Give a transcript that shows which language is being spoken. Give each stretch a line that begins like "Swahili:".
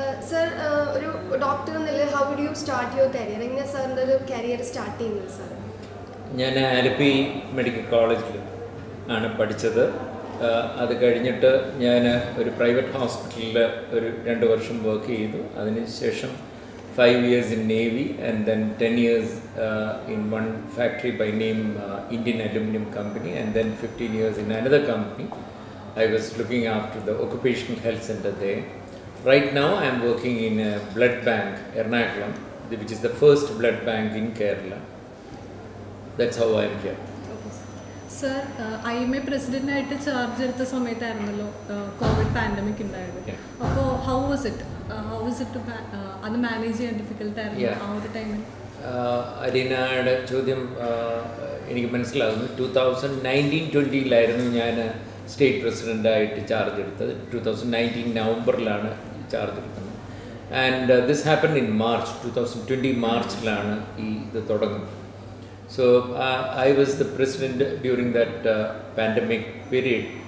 English: Sir ഒരു doctor എന്നല്ല, how do you start your career?
Malayalam: എങ്ങനെ സാറിൻ്റെ ഒരു കരിയർ സ്റ്റാർട്ട് ചെയ്യുന്നത് സാർ? ഞാൻ ആലപ്പി മെഡിക്കൽ കോളേജിൽ ആണ് പഠിച്ചത്. അത് കഴിഞ്ഞിട്ട് ഞാൻ ഒരു പ്രൈവറ്റ് ഹോസ്പിറ്റലിൽ ഒരു 2 വർഷം വർക്ക് ചെയ്തു.
English: അതിനുശേഷം 5 years in Navy and then 10 years in one factory by name Indian Aluminium Company, and then 15 years in another company. I was looking after the occupational health center there. Right now I am working in a blood bank, Ernakulam, which is the first blood bank in Kerala. That's how I am here.
Malayalam: Sir, I M A പ്രസിഡന്റായിട്ട് charge എടുത്ത സമയത്തായിരുന്നല്ലോ Covid pandemic ഉണ്ടായത്. അപ്പോൾ how was it, how was it അത് manage ചെയ്യാൻ difficult ആയിരുന്നു ആ ഒരു ടൈമിൽ? അരിനയുടെ ചോദ്യം എനിക്ക് മനസ്സിലാകുന്നു. 2019-20 ഞാൻ സ്റ്റേറ്റ് പ്രസിഡന്റായിട്ട് ചാർജ് എടുത്തത്. 2019 നവംബറിലാണ് ചാർജ് എടുത്തത്. And this happen in March, 2020 മാർച്ചിലാണ് ഈ ഇത് തുടങ്ങുന്നത്.
English: So I was the president during that pandemic period.